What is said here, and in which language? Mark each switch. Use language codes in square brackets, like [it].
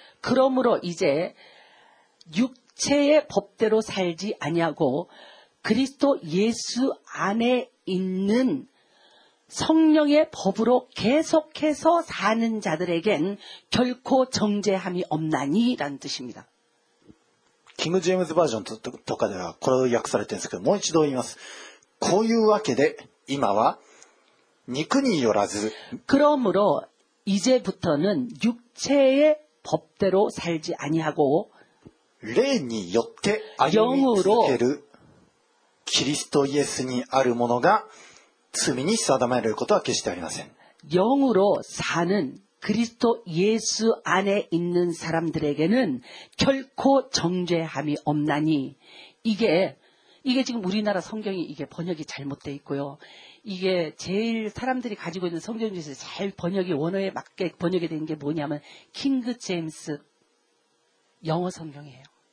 [ko] 그러므로이제육체의법대로살지아니하고그리스도예수안에있는성령의법으로계속해서사는자들에겐결코정죄함이없나니라는뜻입니다 [ja] キングジェームズバージョンとかではこれを訳されてるんですけどもう一度言いますこういうわけで今は肉によらず [ko] 그러므로이제부터는육체의법대로살지아니하고 [ja] 霊によって歩み続けるキリストイエスにあるものが罪に定められることは決してありません。 [ko] 영으로사는그리스도예수안에있는사람들에게는결코정죄함이없나니이게이게지금우리나라성경이이게번역이잘못되어있고요이게제일사람들이가지고있는성경중에서제일번역이원어에맞게번역이된게뭐냐면킹제임스영어성경이에요